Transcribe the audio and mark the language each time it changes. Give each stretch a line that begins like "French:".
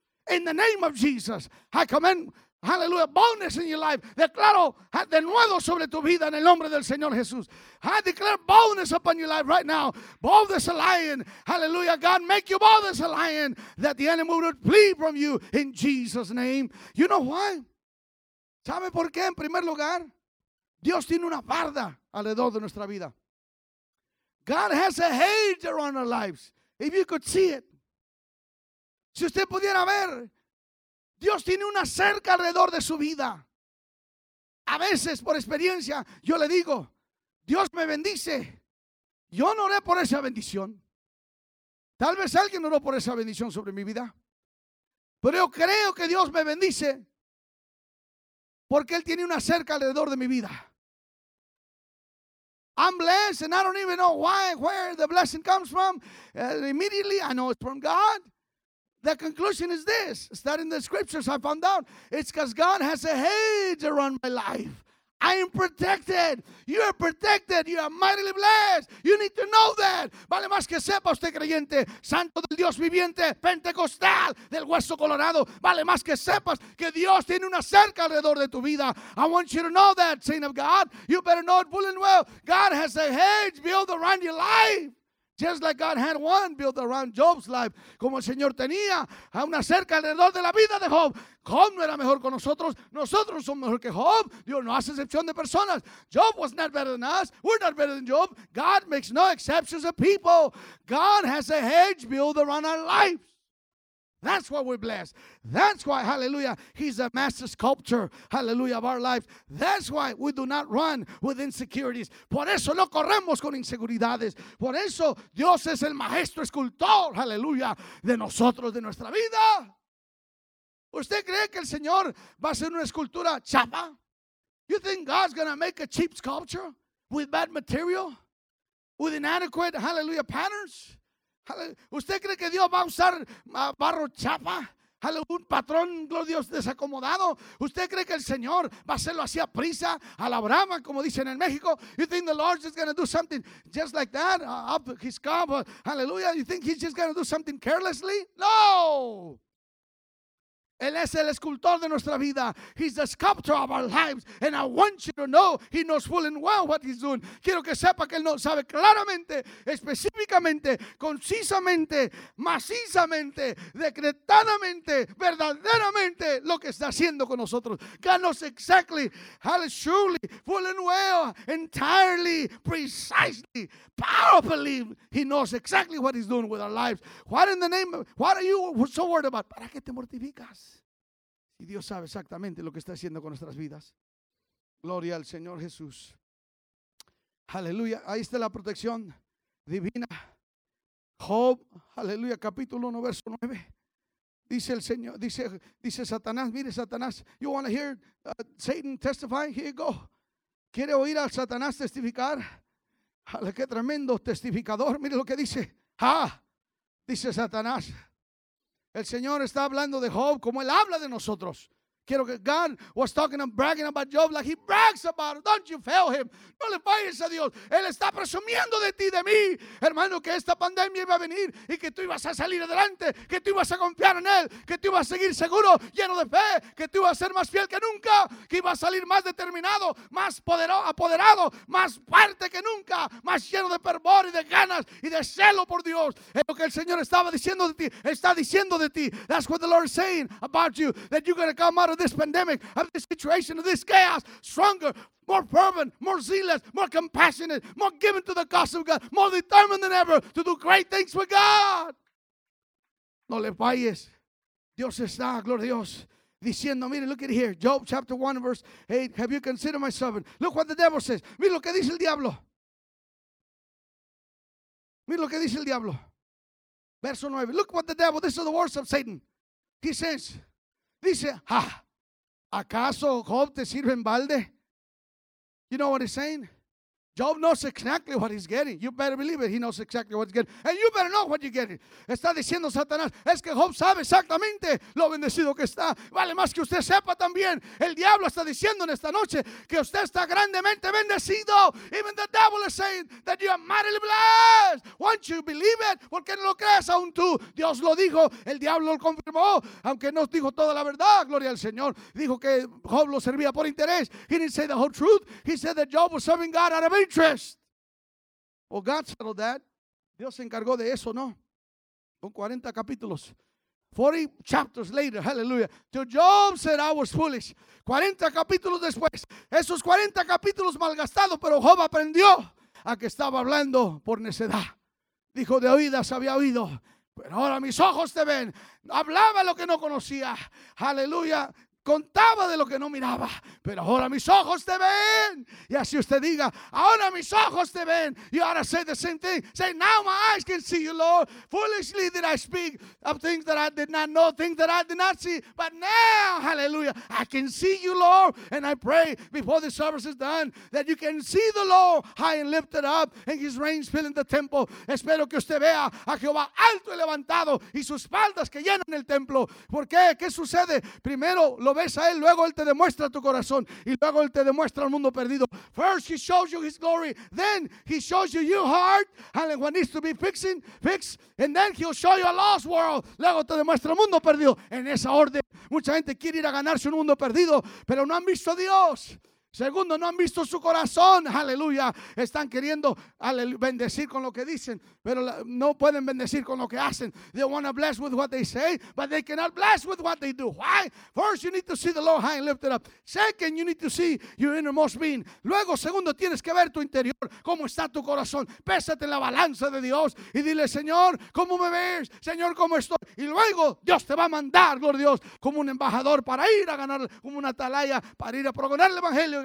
English: In the name of Jesus, I command, hallelujah, boldness in your life.
Spanish: Declaro de nuevo sobre tu vida en el nombre del Señor Jesús.
English: I declare boldness upon your life right now. Bold as a lion. Hallelujah. God, make you bold as a lion that the enemy would flee from you in Jesus' name. You know why?
Spanish: ¿Sabe por qué? En primer lugar, Dios tiene una barda alrededor de nuestra vida.
English: God has a hedge around our lives. If you could see it.
Spanish: Si usted pudiera ver. Dios tiene una cerca alrededor de su vida. A veces por experiencia yo le digo. Dios me bendice. Yo no oré por esa bendición. Tal vez alguien oró por esa bendición sobre mi vida. Pero yo creo que Dios me bendice porque Él tiene una cerca alrededor de mi vida.
English: I'm blessed and I don't even know why, where the blessing comes from. Immediately I know it's from God. The conclusion is this. Studying the scriptures, I found out it's because God has a hedge around my life. I am protected. You are protected. You are mightily blessed. You need to know that.
Spanish: Vale más que sepa usted, creyente, santo del Dios viviente, pentecostal, del hueso colorado. Vale más que sepas que Dios tiene una cerca alrededor de tu vida.
English: I want you to know that, saint of God. You better know it full and well. God has a hedge built around your life. Just like God had one built around Job's life.
Spanish: Como el Señor tenía a una cerca alrededor de la vida de Job. Job no era mejor con nosotros. Nosotros somos mejor que Job. Dios no hace excepción de personas.
English: Job was not better than us. We're not better than Job. God makes no exceptions of people. God has a hedge built around our lives. That's why we're blessed. That's why, hallelujah, He's a master sculptor, hallelujah, of our lives. That's why we do not run with insecurities.
Spanish: Por eso no corremos con inseguridades. Por eso Dios es el maestro escultor, hallelujah, de nosotros, de nuestra vida. ¿Usted cree que el Señor va a hacer una escultura chapa?
English: You think God's going to make a cheap sculpture with bad material, with inadequate, hallelujah, patterns?
Spanish: ¿Usted cree que Dios va a usar barro chapa? ¿Un patrón, gloria a Dios, desacomodado? ¿Usted cree que el Señor va a hacerlo así a prisa, a la brama, como dicen en México?
English: ¿You think the Lord is going to do something just like that? Up his cup, hallelujah. ¿You think he's just going to do something carelessly? No.
Spanish: Él es el escultor de nuestra vida.
English: He's the sculptor of our lives. And I want you to know he knows full and well what he's doing.
Spanish: Quiero que sepa que él no sabe claramente, específicamente, concisamente, macizamente, decretadamente, verdaderamente lo que está haciendo con nosotros.
English: God knows exactly, surely, full and well, entirely, precisely, powerfully. He knows exactly what he's doing with our lives. What in the name of, what are you so worried about?
Spanish: ¿Para qué te mortificas? Y Dios sabe exactamente lo que está haciendo con nuestras vidas. Gloria al Señor Jesús. Aleluya. Ahí está la protección divina. Job, aleluya, capítulo 1, verso 9. Dice el Señor, dice Satanás, mire Satanás.
English: You want to hear Satan testify? Here you go.
Spanish: ¿Quiere oír a Satanás testificar? Qué tremendo testificador. Mire lo que dice. ¡Ah! Dice Satanás. El Señor está hablando de Job como Él habla de nosotros. Quiero que
English: God was talking and bragging about Job like He brags about it. Don't you fail Him.
Spanish: No le falles a Dios. Él está presumiendo de ti, de mí. Hermano, que esta pandemia iba a venir y que tú ibas a salir adelante. Que tú ibas a confiar en Él. Que tú ibas a seguir seguro, lleno de fe. Que tú ibas a ser más fiel que nunca. Que ibas a salir más determinado, más apoderado, más fuerte que nunca. Más lleno de fervor y de ganas y de celo por Dios. Es lo que el Señor estaba diciendo de ti. Está diciendo de ti.
English: That's what the Lord is saying about you. That you're going to come up of this pandemic, of this situation, of this chaos, stronger, more fervent, more zealous, more compassionate, more given to the cause of God, more determined than ever to do great things for God.
Spanish: No le falles. Dios está, gloria a Dios, diciendo, mire,
English: look at here, Job chapter 1, verse 8, have you considered my servant? Look what the devil says.
Spanish: Mire lo que dice el diablo. Mire lo que dice el diablo. Verso 9,
English: look what the devil, this is the words of Satan. He says,
Spanish: dice, ah, ¿acaso Job te sirve en balde?
English: You know what he's saying? Job knows exactly what he's getting. You better believe it. He knows exactly what he's getting. And you better know what you're getting.
Spanish: Está diciendo Satanás, es que Job sabe exactamente lo bendecido que está. Vale más que usted sepa también. El diablo está diciendo en esta noche que usted está grandemente bendecido.
English: Even the devil is saying that you are mightily blessed. Won't you believe it?
Spanish: ¿Por qué no lo crees aún tú? Dios lo dijo. El diablo lo confirmó. Aunque no dijo toda la verdad. Gloria al Señor. Dijo que Job lo servía por interés.
English: He didn't say the whole truth. He said that Job was serving God out of interest. Well, God settled that.
Spanish: Dios se encargó de eso, ¿no? Con 40 capítulos.
English: 40 chapters later, hallelujah. To Job said, I was foolish.
Spanish: 40 capítulos después. Esos 40 capítulos malgastados, pero Job aprendió a que estaba hablando por necedad. Dijo, de oídas había oído. Pero ahora mis ojos te ven. Hablaba lo que no conocía. Hallelujah. contaba de lo que no miraba, pero ahora mis ojos te ven. Y así usted diga, ahora mis ojos te ven.
English: You ought to say the same thing. Say, now my eyes can see you, Lord. Foolishly did I speak of things that I did not know, things that I did not see. But now, hallelujah, I can see you, Lord. And I pray before the service is done that you can see the Lord high and lifted up and his reins filling the temple.
Spanish: Espero que usted vea a Jehová alto y levantado y sus espaldas que llenan el templo. ¿Por qué? ¿Qué sucede? Primero lo ves a él, luego él te demuestra tu corazón y luego él te demuestra el mundo perdido.
English: First he shows you his glory, then he shows you your heart and what needs to be fixed, and then he'll show you a lost world.
Spanish: Luego te demuestra el mundo perdido. En esa orden, mucha gente quiere ir a ganarse un mundo perdido, pero no han visto a Dios. Segundo, no han visto su corazón, aleluya. Están queriendo bendecir con lo que dicen, pero no pueden bendecir con lo que hacen.
English: They want to bless with what they say, but they cannot bless with what they do. Why? First, you need to see the Lord high and lifted up. Second, you need to see your innermost being.
Spanish: Luego, segundo, tienes que ver tu interior, cómo está tu corazón. Pésate en la balanza de Dios y dile, Señor, ¿cómo me ves? Señor, ¿cómo estoy? Y luego, Dios te va a mandar, gloria a Dios, como un embajador para ir a ganar, como una atalaya para ir a proclamar el evangelio.